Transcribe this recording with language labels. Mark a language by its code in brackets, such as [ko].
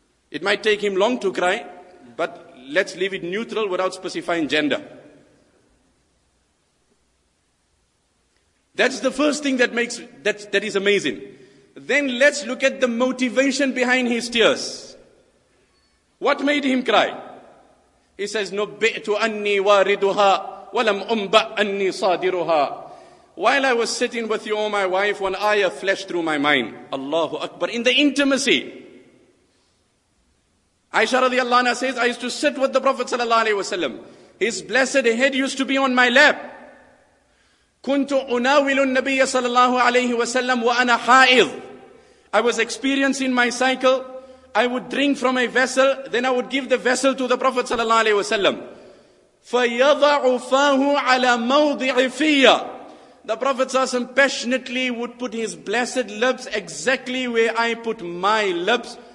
[en] It might take him long to cry, but let's leave it neutral without specifying gender. That's the first thing that makes that is amazing. Then let's look at the motivation behind his tears. What made him cry? He says, [ar] نُبِّئْتُ أَنِّي وَارِدُهَا وَلَمْ أُمْبَأْ أَنِّي صَادِرُهَا. [en] While I was sitting with you, my wife, one ayah flashed through my mind. Allahu Akbar. In the intimacy. Aisha radiallahu anha says, I used to sit with the Prophet sallallahu alayhi wa sallam. His blessed head used to be on my lap. [ar] كُنْتُ أُنَاوِلُ النَّبِيَّ sallallahu alayhi wa sallam وَأَنَا حَائِضٌ. [en] I was experiencing my cycle. I would drink from a vessel, then I would give the vessel to the Prophet sallallahu alayhi wa sallam. [ar] فَيَضَعُ فَاهُ عَلَى مَوْضِعِ فِيَّ. [en] The Prophet sallallahu alayhi wa sallam passionately would put his blessed lips exactly where I put my lips.